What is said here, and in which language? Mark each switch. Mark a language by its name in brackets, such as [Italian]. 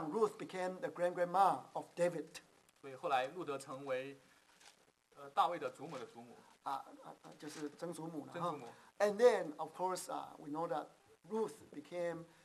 [English] on, Ruth became the grand-grandma of David. [Chinese] 所以后来路德成为大卫的祖母的祖母。就是曾祖母。曾祖母。 [English] And then, of course, we know that Ruth became.